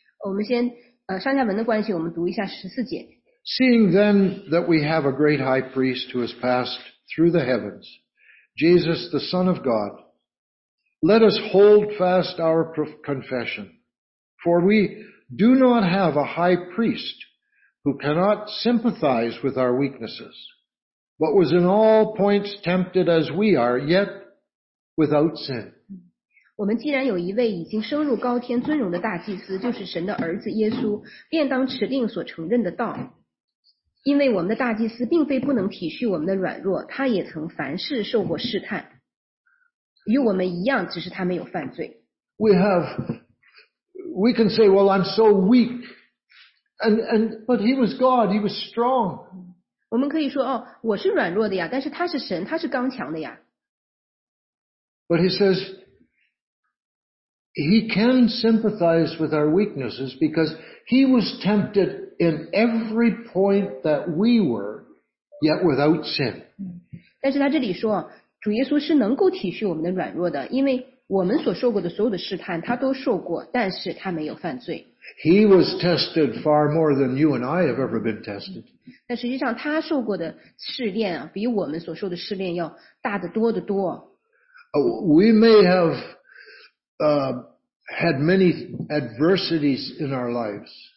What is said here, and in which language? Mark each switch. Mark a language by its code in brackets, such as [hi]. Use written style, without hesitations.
[zh] 我们先上下文的关系我们读一下十四节。 [en] Seeing then that we have a great high priest who has passed through the heavens, Jesus the Son of God, let us hold fast our confession. For we do not have a high priest who cannot sympathize with our weaknesses, but was in all points tempted as we are, yet without sin. [zh] 我们既然有一位已经升入高天尊荣的大祭司，就是神的儿子耶稣，便当持定所承认的道。因为我们的大祭司并非不能体恤我们的软弱，他也曾凡事受过试探，与我们一样，只是他没有犯罪。 [en] We can say, well, I'm so weak, but he was God, he was strong. [zh] 我们可以说，哦，我是软弱的呀，但是他是神，他是刚强的呀。 [en] But he says,He can sympathize with our weaknesses because he was tempted in every point that we were, yet without sin. [zh] 但是他这里说，主耶稣是能够体恤我们的软弱的，因为我们所受过的所有的试探，他都受过，但是他没有犯罪。 [en] He was tested far more than you and I have ever been tested. [zh] 但实际上他受过的试炼啊，比我们所受的试炼要大得多得多。 [en] We may have had many adversities in our lives.